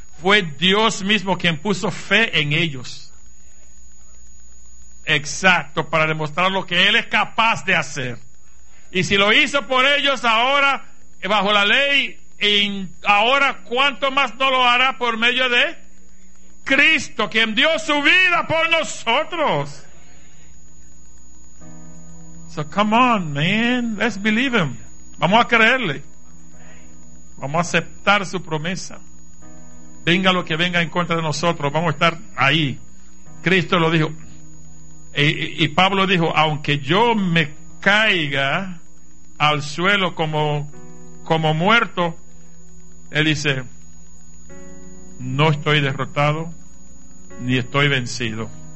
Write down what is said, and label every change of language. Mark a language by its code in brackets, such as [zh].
[es] Fue Dios mismo quien puso fe en ellos. Exacto, para demostrar lo que Él es capaz de hacer. Y si lo hizo por ellos ahora, bajo la ley, y ahora, ¿cuánto más no lo hará por medio de Cristo, quien dio su vida por nosotros? [en] So come on, man, let's believe him. [es] Vamos a creerle, vamos a aceptar su promesa. Venga lo que venga en contra de nosotros, vamos a estar ahí. Cristo lo dijo, y Pablo dijo, aunque yo me caiga al suelo como muerto, él dice, no estoy derrotado ni estoy vencido.